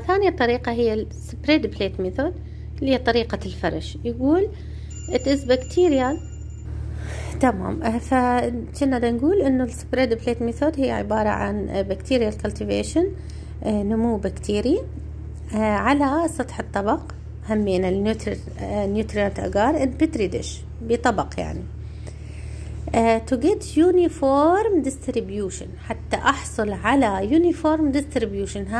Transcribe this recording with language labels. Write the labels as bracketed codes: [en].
[ar] ثانية طريقة هي spread plate method اللي هي طريقة الفرش. يقول [en] it is bacterial. [ar] تمام، فكنا نقول انه spread plate method هي عبارة عن bacterial cultivation، نمو بكتيري على سطح الطبق، همين النيوتريانت اجار [en] in petri dish، [ar] بطبق يعني [en] to get uniform distribution، [ar] حتى أحصل على [en] uniform distribution.